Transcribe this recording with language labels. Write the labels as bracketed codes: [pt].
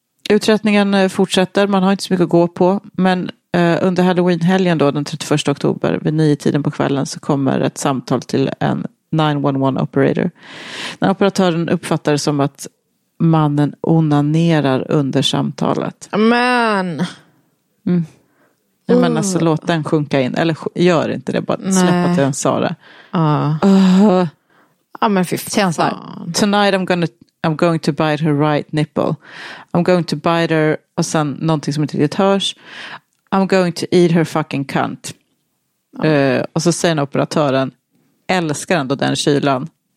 [sv] Uträttningen fortsätter. Man har inte så mycket att gå på. Men under Halloween-helgen då, den 31 oktober, vid 9-tiden på kvällen, så kommer ett samtal till en 911 operator. När operatören uppfattar det som att mannen onanerar under samtalet. Men! Mm. Men alltså, låt den sjunka in. Eller gör inte det, bara släppa till en Sara. Ja, men fy fan. [en] Tonight I'm going to bite her right nipple. I'm going to bite her, [sv] och sen någonting som inte riktigt hörs. [en] I'm going to eat her fucking cunt. [sv] Och så säger operatören, älskar ändå den kylan.